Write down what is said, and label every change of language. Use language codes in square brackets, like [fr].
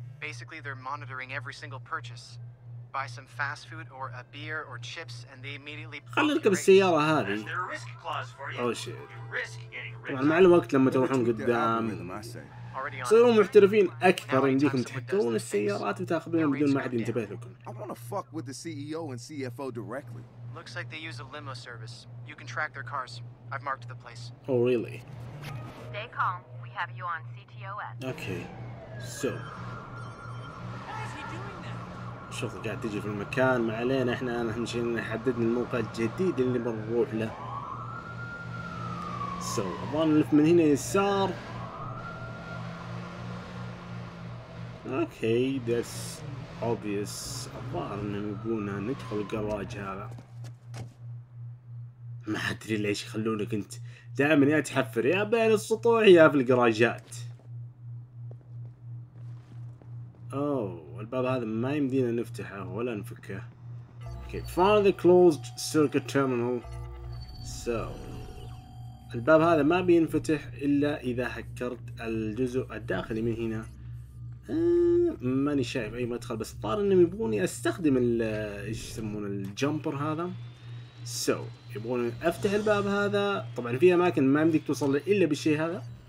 [en] Basically they're monitoring every single purchase. Buy some fast food or a beer or chips and they immediately [ar] خليكم السيارة هذه. [en] Oh shit. [ar] طبعا مع الوقت لما تروحون قدام تصيروا محترفين اكثر، يمديكم تحكمون السيارات وتاخذونها بدون ما احد ينتبه لكم. [en] I wanna fuck with the CEO and CFO directly. Looks like they use a limo service. You can track their cars. I've marked the place. Oh really? Stay calm. We have you on CTOS. Okay. [ar] So شوف قاعد تجي في المكان، ما علينا، احنا اهم شيء نحدد الموقع الجديد اللي بنروح له. سو ابغى نلف من هنا يسار. [en] Okay that's obvious. [ar] ابغى ان نبغون ندخل الجراج هذا، ما ادري ليش يخلونك انت دائما يا تحفر يا بين السطوح يا في الجراجات. الباب هذا ما يمدينا نفتحه ولا نفكه. [en] Okay, find the closed circuit terminal. [ar] So الباب هذا ما بينفتح إلا إذا هكرت الجزء الداخلي من هنا. ماني شايف أي مدخل، بس طار إنهم يبغوني أستخدم ال إيش يسمونه الجامبر هذا. So يبغوني أفتح الباب هذا. طبعا في أماكن ما يمديك توصل إلا بالشيء هذا.